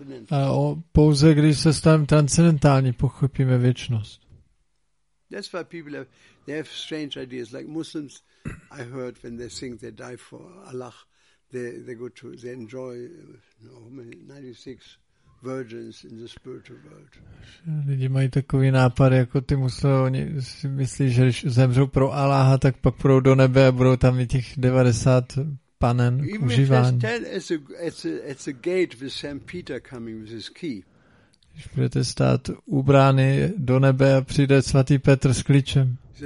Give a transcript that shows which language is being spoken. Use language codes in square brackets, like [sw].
[cs] A pouze, když se staneme transcendentální, pochopíme věčnost. [en] That's why people have, they have strange ideas. Like Muslims, I heard when they think they die for Allah, they go to, they enjoy 96 virgins in the spiritual world. [cs] Lidi mají takový nápad, jako ty muslimové, oni si myslí, že když zemřou pro Allaha, tak pak půjdou do nebe a budou tam i těch 90 panen k užívání. [en] Even if it's a gate with St. Peter coming with his key. [cs] Když budete stát u brány do nebe a přijde svatý Petr s klíčem.